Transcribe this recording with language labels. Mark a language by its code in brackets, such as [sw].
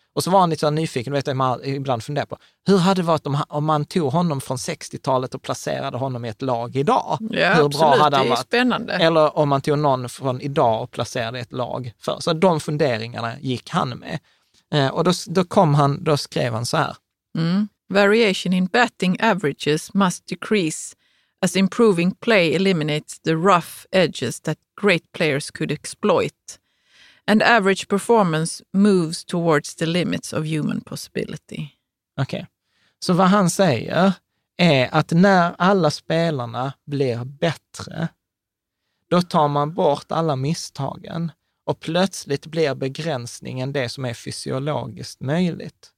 [sv] Och så var han lite så nyfiken, vet du, man ibland funderar på hur hade det varit om man tog honom från 60-talet och placerade honom i ett lag idag? Ja, bra absolut, hade han varit? Spännande. Eller om man tog någon från idag och placerade i ett lag för. Så de funderingarna gick han med. Och då skrev han så här. Mm. [en] Variation in batting averages must decrease as improving play eliminates the rough edges that great players could exploit, and average performance moves towards the limits of human possibility. [sv] Okej. Okay. Så vad han säger är att när alla spelarna blir bättre, då tar man bort alla misstagen och plötsligt blir begränsningen det som är fysiologiskt möjligt.